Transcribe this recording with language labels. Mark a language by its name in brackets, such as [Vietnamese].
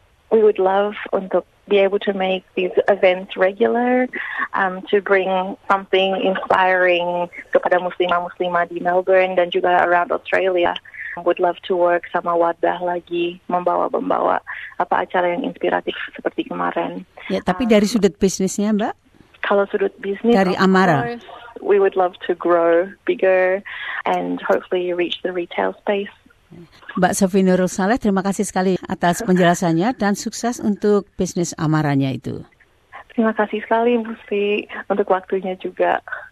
[English] We would love untuk be able to make these events regular, to bring something inspiring kepada muslimah-muslimah di Melbourne dan juga around Australia. [Indonesian] Would love to work sama Wadah lagi, membawa-membawa apa acara yang inspiratif seperti kemarin. Ya, tapi dari sudut bisnisnya, Mbak? Kalau sudut bisnis, dari Amara, [English] we would love to grow bigger and hopefully reach the retail space. [Indonesian] Mbak Sofi Nurul Saleh, terima kasih sekali atas penjelasannya dan sukses untuk bisnis Amaranya itu. Terima kasih sekali, Bu Fi, untuk waktunya juga.